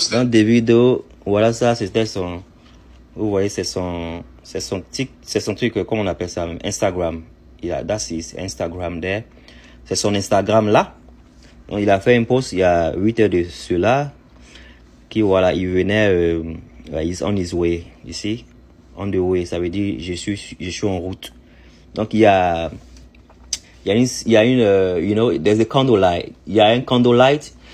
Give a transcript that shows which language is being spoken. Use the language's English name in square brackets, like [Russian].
[French] Dans Davido, voilà ça, c'était son. Vous voyez, c'est son tic, c'est son truc. Comment on appelle ça? Instagram. Il a, [English] that's his Instagram there. [French] C'est son Instagram là. Donc, il a fait un post il y a 8 heures de cela. Qui, voilà, il venait, [English] he's on his way, you see, on the way, [French] ça veut dire je suis en route. Donc il y a une [English] you know, there's a candlelight, [French] il y a un candlelight.